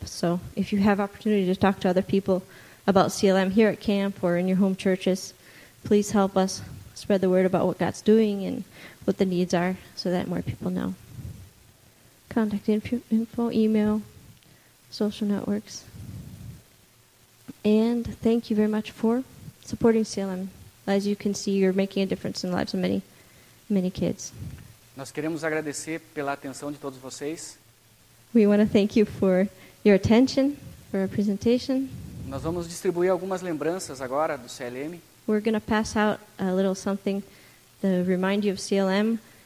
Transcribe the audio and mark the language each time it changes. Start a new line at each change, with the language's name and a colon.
English: So if you have opportunity to talk to other people about CLM here at camp or in your home churches, please help us spread the word about what God's doing and what the needs are so that more people know. Contact info, email, social networks. And thank you very much for supporting CLM. As you can see, you're making a difference in the lives of many, many kids.
Portuguese: Nós queremos agradecer pela atenção de todos vocês.
English: We want to thank you for your attention, for our presentation.
Portuguese: Nós vamos distribuir algumas lembranças agora do CLM.
English: We're going to pass out a little something to remind you of CLM.